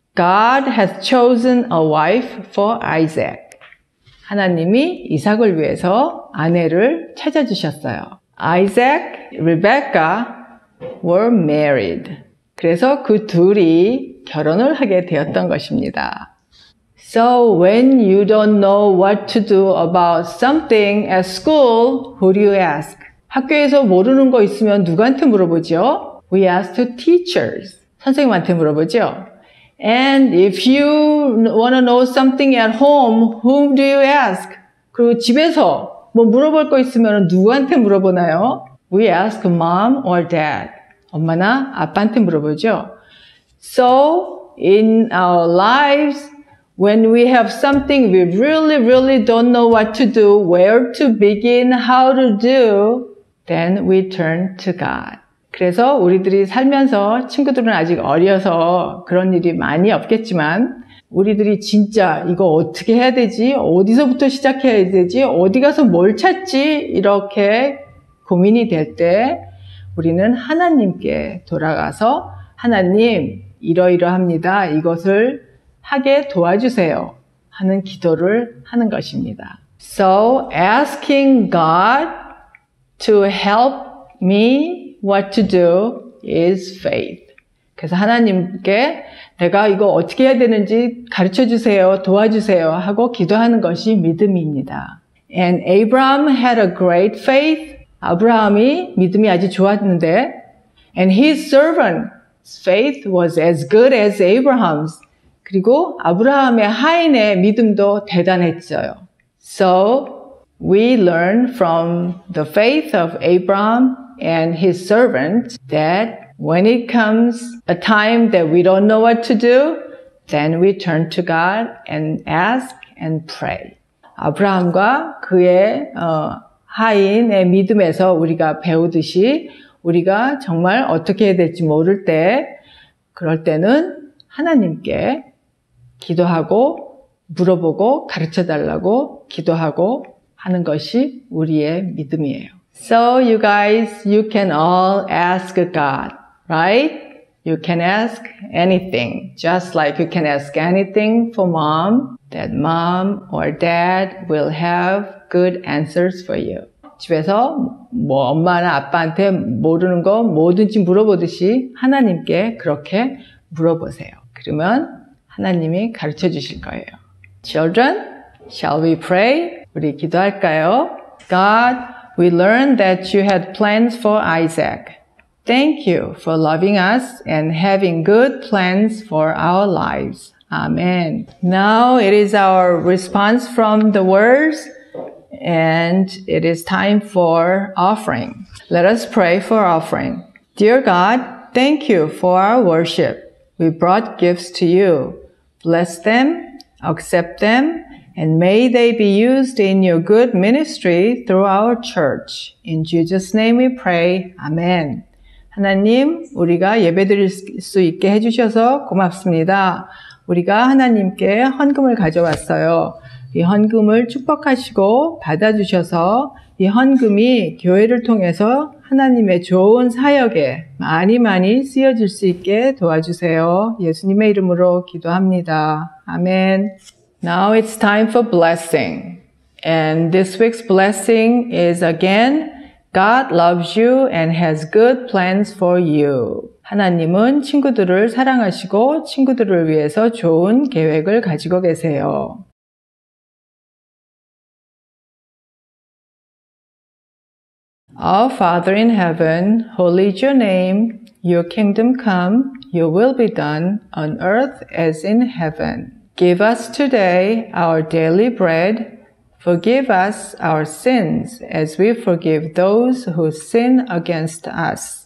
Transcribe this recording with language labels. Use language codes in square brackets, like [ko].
[en] God has chosen a wife for Isaac. [ko] 하나님이 이삭을 위해서 아내를 찾아주셨어요. [en] Isaac, Rebecca were married. [ko] 그래서 그 둘이 결혼을 하게 되었던 것입니다. [en] So when you don't know what to do about something at school, who do you ask? [ko] 학교에서 모르는 거 있으면 누구한테 물어보죠? [en] We ask to teachers. [ko] 선생님한테 물어보죠. [en] And if you want to know something at home, whom do you ask? [ko] 그리고 집에서 뭐 물어볼 거 있으면 누구한테 물어보나요? [en] We ask mom or dad. [ko] 엄마나 아빠한테 물어보죠. [en] So in our lives, when we have something we really, really don't know what to do, where to begin, how to do, then we turn to God. [ko] 그래서 우리들이 살면서 친구들은 아직 어려서 그런 일이 많이 없겠지만 우리들이 진짜 이거 어떻게 해야 되지? 어디서부터 시작해야 되지? 어디 가서 뭘 찾지? 이렇게 고민이 될 때 우리는 하나님께 돌아가서 하나님 이러이러합니다. 이것을 하게 도와주세요. 하는 기도를 하는 것입니다. [en] So asking God to help me what to do is faith. [ko] 그래서 하나님께 내가 이거 어떻게 해야 되는지 가르쳐 주세요. 도와주세요. 하고 기도하는 것이 믿음입니다. [en] And Abraham had a great faith. [ko] 아브라함이 믿음이 아주 좋았는데 [en] And his servant's faith was as good as Abraham's. [ko] 그리고 아브라함의 하인의 믿음도 대단했어요. [en] So we learn from the faith of Abraham and his servant that when it comes a time that we don't know what to do, then we turn to God and ask and pray. [ko] 아브라함과 그의 하인의 믿음에서 우리가 배우듯이 우리가 정말 어떻게 해야 될지 모를 때 그럴 때는 하나님께 기도하고 물어보고 가르쳐달라고 기도하고 하는 것이 우리의 믿음이에요. [en] So you guys, you can all ask God, right? You can ask anything, just like you can ask anything for mom, that mom or dad will have good answers for you. [ko] 집에서 뭐 엄마나 아빠한테 모르는 거 뭐든지 물어보듯이 하나님께 그렇게 물어보세요. 그러면 하나님이 가르쳐 주실 거예요. [en] Children, shall we pray? [ko] 우리 기도할까요? [en] God, we learned that you had plans for Isaac. Thank you for loving us and having good plans for our lives. Amen. Now it is our response from the words and it is time for offering. Let us pray for offering. Dear God, thank you for our worship. We brought gifts to you. Bless them, accept them, and may they be used in your good ministry through our church. In Jesus' name we pray. Amen. [ko] 하나님, 우리가 예배드릴 수 있게 해주셔서 고맙습니다. 우리가 하나님께 헌금을 가져왔어요. 이 헌금을 축복하시고 받아주셔서 이 헌금이 교회를 통해서 하나님의 좋은 사역에 많이 많이 쓰여질 수 있게 도와주세요. 예수님의 이름으로 기도합니다. [en] 아멘. Now it's time for blessing. And this week's blessing is again, God loves you and has good plans for you. [ko] 하나님은 친구들을 사랑하시고 친구들을 위해서 좋은 계획을 가지고 계세요. [en] Our Father in heaven, holy is your name. Your kingdom come, your will be done on earth as in heaven. Give us today our daily bread. Forgive us our sins as we forgive those who sin against us.